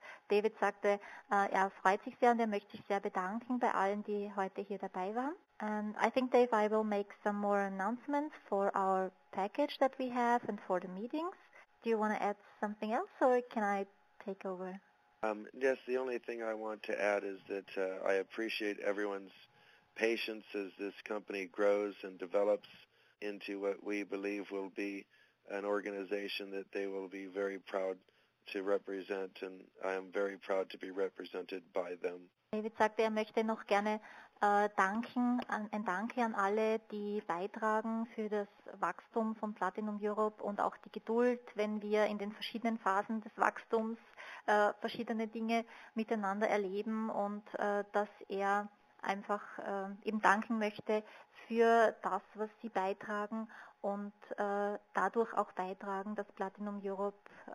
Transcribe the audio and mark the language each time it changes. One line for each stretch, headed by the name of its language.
German: David sagte, er freut sich sehr und er möchte sich sehr bedanken bei allen, die heute hier dabei waren.
English: And I think, Dave, I will make some more announcements for our package that we have and for the meetings. Do you want to add something else, or can I take over? Yes, the only thing I want to add is that I appreciate everyone's patience as this company grows and develops into what we believe will be an organization that they will be very proud to represent, and I am very proud to be represented by them.
German: David sagte, er möchte noch gerne ein Danke an alle, die beitragen für das Wachstum von Platinum Europe und auch die Geduld, wenn wir in den verschiedenen Phasen des Wachstums verschiedene Dinge miteinander erleben und dass er einfach eben danken möchte für das, was sie beitragen und dadurch auch beitragen, dass Platinum Europe